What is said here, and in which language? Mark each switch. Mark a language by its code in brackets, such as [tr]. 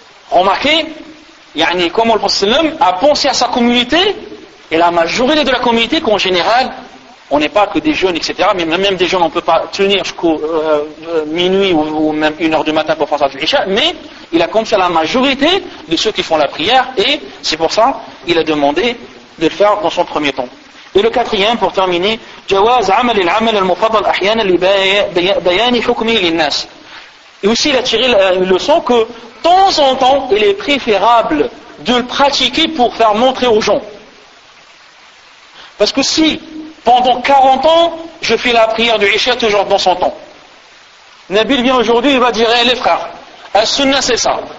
[fr] Remarquez, يعني, comment le Prophète a pensé à sa communauté, et la majorité de la communauté, qu'en général, on n'est pas que des jeunes, etc., mais même des jeunes, on ne peut pas tenir jusqu'au minuit ou même une heure du matin pour faire ça du Isha, mais il a confié à la majorité de ceux qui font la prière, et c'est pour ça qu'il a demandé de le faire dans son premier temps. Et le quatrième, pour terminer, [ar] جواز عمل العمل المفضل أحيانا لبيان حكمه للناس. [fr] Et aussi, il a tiré une leçon que, de temps en temps, il est préférable de le pratiquer pour faire montrer aux gens. Parce que si, pendant 40 ans, je fais la prière du Isha toujours dans son temps, Nabil vient aujourd'hui, il va dire, hey, les frères, la sunna c'est ça.